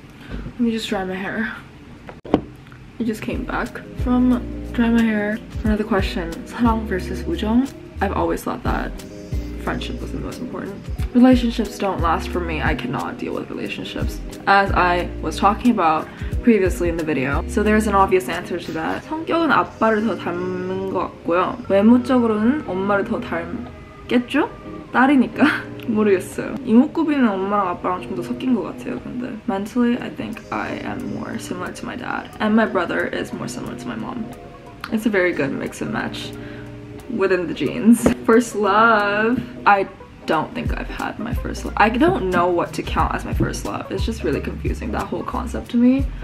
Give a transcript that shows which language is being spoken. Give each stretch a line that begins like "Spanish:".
English: Let me just dry my hair. I just came back from dry my hair. Another question, Sarang versus Woojung. I've always thought that friendship was the most important. Relationships don't last for me. I cannot deal with relationships, as I was talking about previously in the video. So there's an obvious answer to that.
Korean: 성격은 아빠를 더 닮은 것 같고요. 외모적으로는 엄마를 더 닮겠죠? 딸이니까 모르겠어요. 이목구비는 엄마랑 아빠랑 좀 더 섞인 것 같아요. 근데
English: mentally, I think I am more similar to my dad, and my brother is more similar to my mom. It's a very good mix and match within the genes. First love. I don't think I've had my first love. I don't know what to count as my first love. It's just really confusing, that whole concept to me.